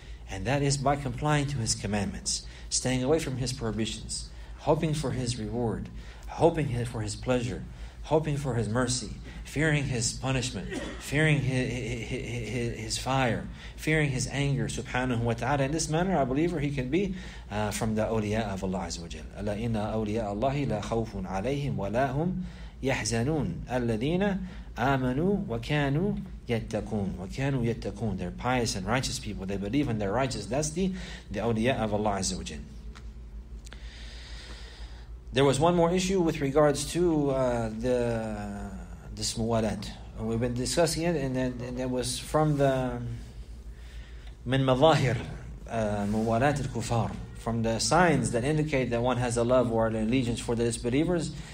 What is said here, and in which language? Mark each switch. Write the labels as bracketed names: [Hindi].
[English] And that is by complying to his commandments, staying away from his prohibitions, hoping for his reward, hoping for his pleasure, hoping for his mercy, fearing his punishment, fearing his fire, fearing his anger, subhanahu wa ta'ala. In this manner, a believer, he can be from the awliya of Allah Azza wa Jal. [Arabic] أَلَا إِنَّ أَوْلِيَاءَ اللَّهِ لَا خَوْفٌ عَلَيْهِمْ وَلَا هُمْ يحزنون الذين آمنوا وكانوا يتقون وكانوا يتقون. [English] They're pious and righteous people. They believe and they're righteous. That's the awliya of Allah Azza wa Jal. There was one more issue with regards to the muwalat. We've been discussing it, and it was from the [Arabic] min mazahir muwalat al-kufar, [English] from the signs that indicate that one has a love or an allegiance for the disbelievers.